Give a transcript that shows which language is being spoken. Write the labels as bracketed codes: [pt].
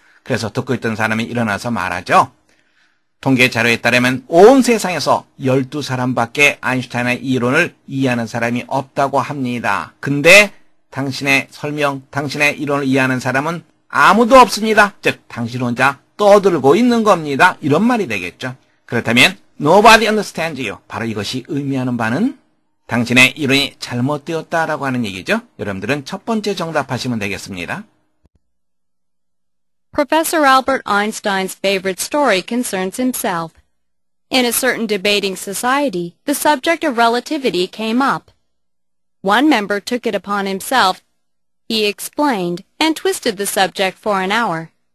[ko] 그래서 듣고 있던 사람이 일어나서 말하죠. 통계 자료에 따르면 온 세상에서 12사람밖에 아인슈타인의 이론을 이해하는 사람이 없다고 합니다. 근데 당신의 설명, 당신의 이론을 이해하는 사람은 아무도 없습니다. 즉, 당신 혼자 떠들고 있는 겁니다. 이런 말이 되겠죠. 그렇다면 [en] nobody understands you. [ko] 바로 이것이 의미하는 바는 당신의 이론이 잘못되었다라고 하는 얘기죠. 여러분들은 첫 번째 정답하시면 되겠습니다. [en] Professor Albert Einstein's favorite story concerns himself. In a certain debating society, the subject of relativity came up. One member took it upon himself. He explained and twisted the subject for an hour.